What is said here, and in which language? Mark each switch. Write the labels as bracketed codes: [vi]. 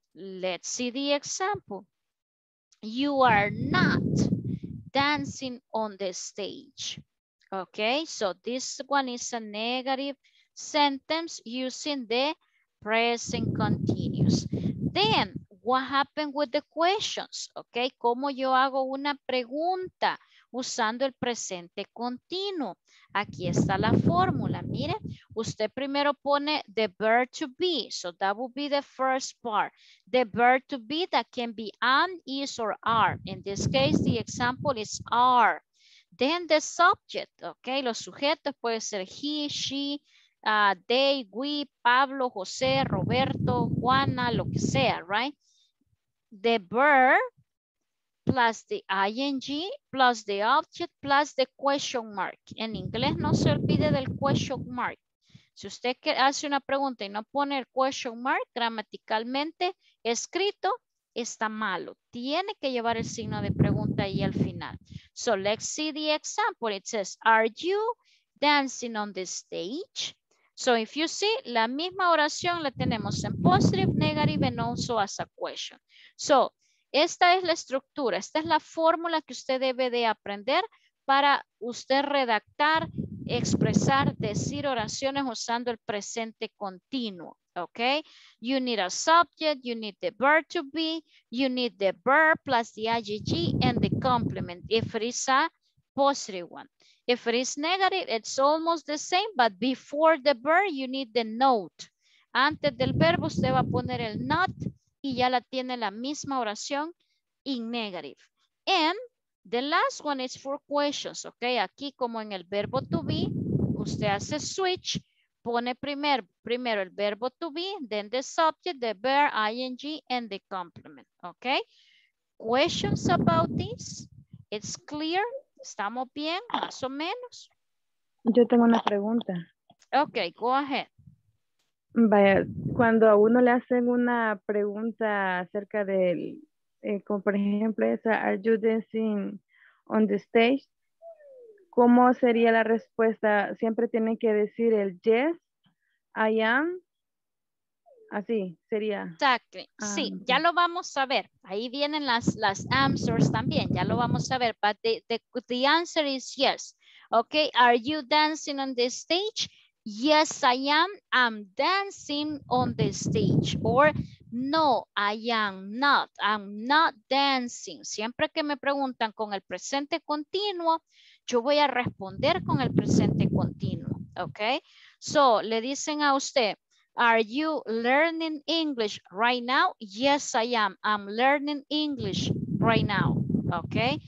[en] Let's see the example. You are not dancing on the stage. Okay, so this one is a negative sentence using the present continuous. Then, what happened with the questions? [es] Okay, ¿cómo yo hago una pregunta usando el presente continuo? Aquí está la fórmula, mire. Usted primero pone [en] the verb to be. So that would be the first part. The verb to be that can be am, is, or are. In this case, the example is are. Then the subject, okay, [es] los sujetos puede ser [en] he, she, they, we, Pablo, José, Roberto, Juana, [es] lo que sea, [en] right? The verb plus the ing plus the object plus the question mark. [es] En inglés no se olvide del question mark. Si usted hace una pregunta y no pone el question mark, gramaticalmente escrito, está malo. Tiene que llevar el signo de pregunta ahí al final. [en] So let's see the example. It says, are you dancing on the stage? So if you see, [es] la misma oración la tenemos en [en] positive, negative, and also as a question. [es] So, esta es la estructura. Esta es la fórmula que usted debe de aprender para usted redactar, expresar, decir oraciones usando el presente continuo. [en] Okay, you need a subject, you need the verb to be, you need the verb plus the ing and the complement if it is a positive one. If it is negative, it's almost the same, but before the verb, you need the not. [es] Antes del verbo, usted va a poner el not y ya la tiene la misma oración [en] in negative. And the last one is for questions, okay? [es] Aquí como en el verbo to be, usted hace switch. Pone primero el verbo [en] to be, then the subject, the verb, ing, and the complement. Okay? Questions about this? It's clear? [es] ¿Estamos bien? ¿Más o menos? Yo tengo una pregunta. [en] Okay, go ahead. [es] Vaya, cuando a uno le hacen una pregunta acerca del, como por ejemplo esa, [en] are you dancing on the stage? [es] ¿Cómo sería la respuesta? Siempre tienen que decir el [en] yes, I am, [es] así sería. [en] Exactly, [es] sí, ya lo vamos a ver. Ahí vienen las answers también, ya lo vamos a ver. [en] But the answer is yes. Okay, are you dancing on the stage? Yes, I am, I'm dancing on the stage. Or no, I am not, I'm not dancing. [es] Siempre que me preguntan con el presente continuo, yo voy a responder con el presente continuo, ¿ok? [en] So, [es] le dicen a usted, [en] are you learning English right now? Yes, I am. I'm learning English right now, ¿ok?